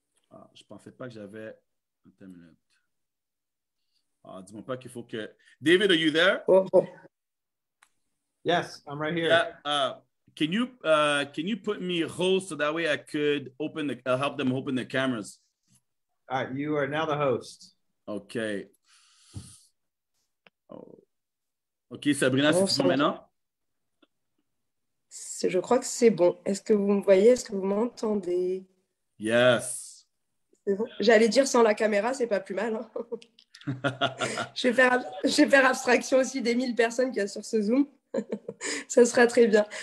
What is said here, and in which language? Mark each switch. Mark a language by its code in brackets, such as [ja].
[fr] Ah, je ne pensais pas que j'avais... Attends une minute. Ah, dis-moi pas qu'il faut que... [en] David, are you there? Oh. Yes, I'm right here. Can you put me host so that way I could help them open the cameras? All right, you are now the host. Okay. Oh. [fr] Okay, Sabrina, c'est bon maintenant? Je crois que c'est bon. Est-ce que vous me voyez? Est-ce que vous m'entendez? [en] Yes. [fr] C'est bon. J'allais dire sans la caméra, c'est pas plus mal. Hein? Je vais faire abstraction aussi des 1000 personnes qu'il y a sur ce Zoom. Ça sera très bien.